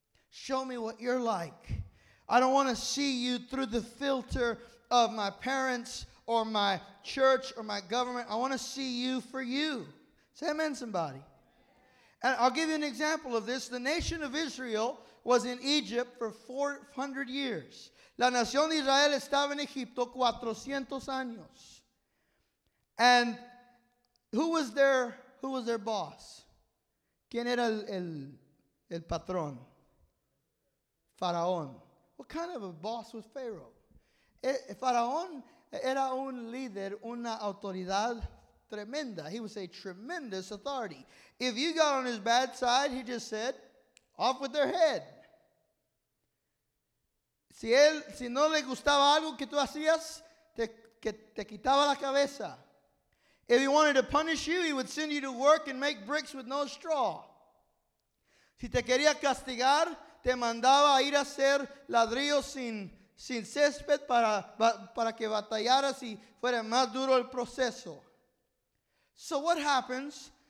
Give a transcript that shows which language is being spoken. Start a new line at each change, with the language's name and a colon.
English: Show me what you're like. I don't want to see you through the filter of my parents or my church or my government. I want to see you for you. Say amen, somebody. And I'll give you an example of this. The nation of Israel was in Egypt for 400 years.
Spanish: La nación de Israel estaba en Egipto 400 años.
English: And who was their boss?
Spanish: ¿Quién era el patrón? Faraón.
English: What kind of a boss was Pharaoh?
Spanish: Faraón era un líder, una autoridad tremenda.
English: He was a tremendous authority. If you got on his bad side, he just said, off with their head.
Spanish: Si no le gustaba algo que tú hacías, te quitaba la cabeza.
English: If he wanted to punish you, he would send you to work and make bricks with no straw.
Spanish: Si te quería castigar, te mandaba a ir a hacer ladrillos sin césped para que batallaras y fuera más duro el proceso.
English: So what happens?